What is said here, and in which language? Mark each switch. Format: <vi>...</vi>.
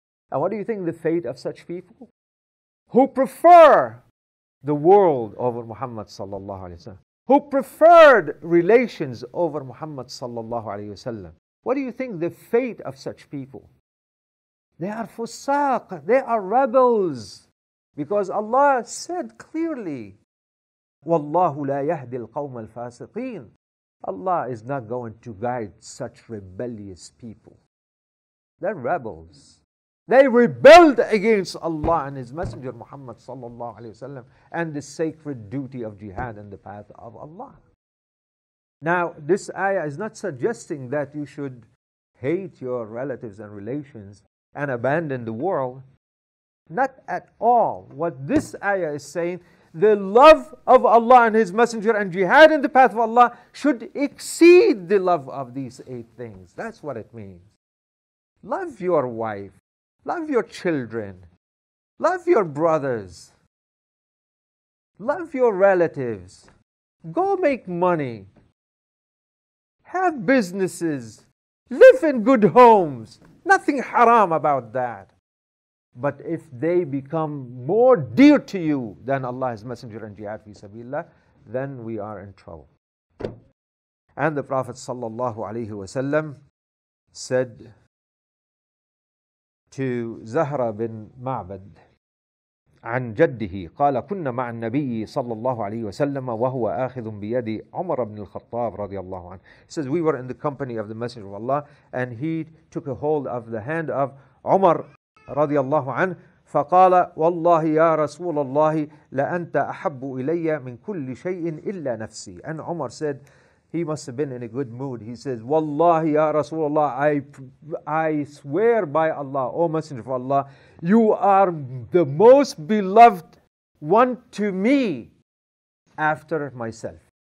<en>And what do you think the fate of such people who prefer the world over Muhammad sallallahu alayhi wasallam, who preferred relations over Muhammad sallallahu alayhi wasallam? What do you think the fate of such people? They are fusaq, they are rebels. Because Allah said clearly,</en> <ar>وَاللَّهُ لَا يَهْدِي الْقَوْمَ الْفَاسِقِينَ.</ar> <en>Allah is not going to guide such rebellious people. They're rebels. They rebelled against Allah and His Messenger Muhammad sallallahu alayhi wa sallam and the sacred duty of jihad and the path of Allah. Now, this ayah is not suggesting that you should hate your relatives and relations and abandon the world. Not at all. What this ayah is saying, the love of Allah and His Messenger and jihad in the path of Allah should exceed the love of these eight things. That's what it means. Love your wife. Love your children. Love your brothers. Love your relatives. Go make money. Have businesses. Live in good homes. Nothing haram about that. But if they become more dear to you than Allah, His Messenger, and jihad fi sabilillah, then we are in trouble. And the Prophet sallallahu alayhi wa sallam said to Zahra bin Ma'bad</en> <ar>عن جده قال كنا مع النبي صلى الله عليه وسلم وهو آخذ بيدي عمر بن الخطاب رضي الله عنه.</ar> <en>He says, we were in the company of the Messenger of Allah and he took a hold of the hand of Umar</en> <ar>رضي الله عنه فقال والله يا رسول الله لأنت أحب إلي من كل شيء إلا نفسي.</ar> <en>And Umar said, he must have been in a good mood. He says,</en> <ar>والله يا رسول الله,</ar> <en>I swear by Allah, O Messenger of Allah, you are the most beloved one to me after myself.</en>